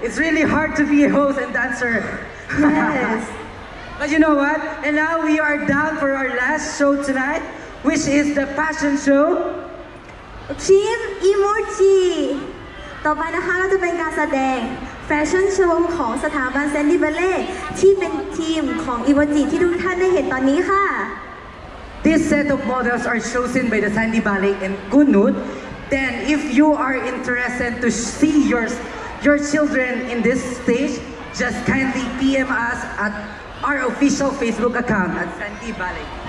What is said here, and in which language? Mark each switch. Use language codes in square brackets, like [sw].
[en] It's really hard to be a host and dancer. Yes. But you know what? And now we are down for our last show tonight, which is the fashion show. Team Emoji. [th] ต่อไปนะคะก็จะเป็นการแสดงแฟชั่นโชว์ของสถาบันแซนดี้เบลเล่ที่เป็นทีมของอีโมจิที่ทุกท่านได้เห็นตอนนี้ค่ะ [en] This set of models are chosen by the Sandy Ballet and Gunut. Then if you are interested to see your children in this stage, just kindly PM us at our official Facebook account at Sandy Ballet.